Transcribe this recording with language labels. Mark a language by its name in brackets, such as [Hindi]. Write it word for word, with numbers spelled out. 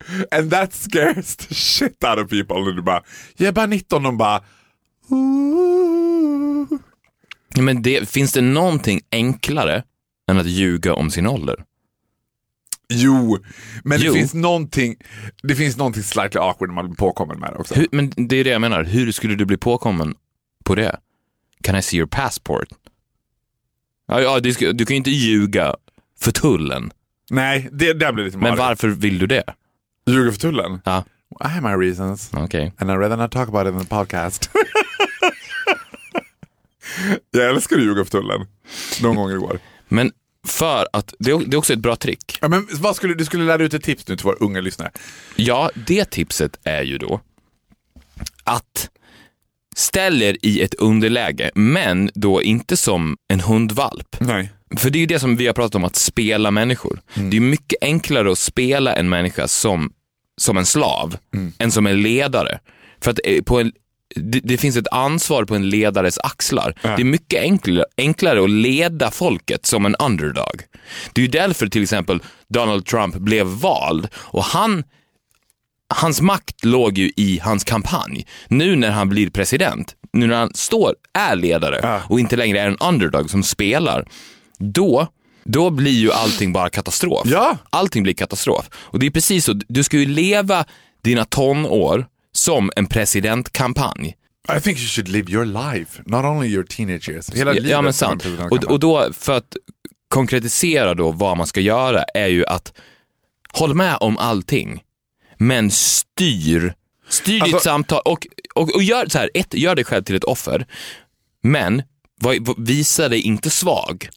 [English] And that scares the shit out of people. [Swedish] Och du bara, jag är bara nitton. De bara, ooh. Men det, finns det någonting enklare än att ljuga om sin ålder? Jo, men jo. Det finns någonting det finns någonting [English] slightly awkward [Swedish] när man blir påkommen med det också. Hur, men det är det jag menar. Hur skulle du bli påkommen på det? [English] Can I see your passport? [Swedish] Ja, ja du, du kan ju inte ljuga för tullen. Nej, det där blir lite men marg. Varför vill du det? Ljuga för tullen? Ja. [English] I have my reasons. Okay. And I'd rather not talk about it in the podcast. [Swedish] Jag älskar att ljuga för tullen. Någon gång igår. Men för att, det är också ett bra trick. Ja, men vad skulle, du skulle lära ut ett tips nu till våra unga lyssnare. Ja, det tipset är ju då att ställa er i ett underläge. Men då inte som en hundvalp. Nej. För det är ju det som vi har pratat om, att spela människor. Mm. Det är mycket enklare att spela en människa som, som en slav mm. än som en ledare. För att på en, det, det finns ett ansvar på en ledares axlar. Mm. Det är mycket enklare, enklare att leda folket som en underdog. Det är ju därför till exempel Donald Trump blev vald. Och han, hans makt låg ju i hans kampanj. Nu när han blir president, nu när han står, är ledare mm. och inte längre är en underdog som spelar, Då, då blir ju allting bara katastrof. Ja. Allting blir katastrof. Och det är precis så, du ska ju leva dina tonår som en presidentkampanj. [English] I think you should live your life, not only your teenage years. [Swedish] Hela ja, livet ja, men sant. Och, och då, för att konkretisera då vad man ska göra, är ju att håll med om allting, men styr styr alltså, ditt samtal och, och, och gör så här, ett, gör dig själv till ett offer, men visa dig inte svag.